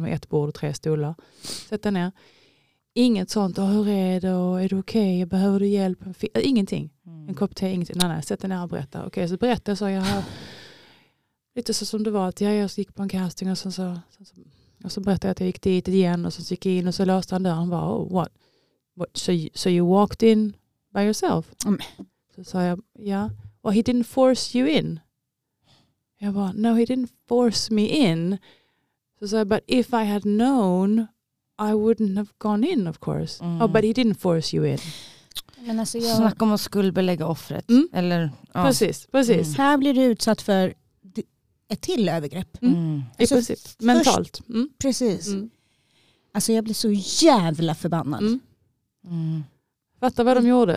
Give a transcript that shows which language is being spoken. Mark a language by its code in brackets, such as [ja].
[sv] Med 1 bord och 3 stolar. Sätta ner. Inget sånt. Hur är det? Och är du okej? Okay? Behöver du hjälp? Ingenting. Mm. En kopp te, ingenting. Nej. Sätta ner och berätta. Okej, okay, så berätta. Så jag har lite så som det var. Att jag gick på en casting. Och så berättade jag att jag gick dit igen. Och så gick jag in och så löste han dörren. Och bara, [en] oh, what? So you walked in by yourself? Mm. [sv] Så sa jag, ja. [en] Well, he didn't force you in. [sv] Jag bara, [en] no, he didn't force me in. [sv] Så sa jag, [en] but if I had known, I wouldn't have gone in, of course. Mm. Oh, but he didn't force you in. [sv] Men alltså jag... Snack om att skuldbelägga offret. Mm. Eller, ja. Precis. Mm. Här blir du utsatt för ett till övergrepp. Mm. Alltså, i princip. Mentalt. Först, mm. Precis. Mm. Alltså jag blir så jävla förbannad. Mm. Fattar vad de gjorde.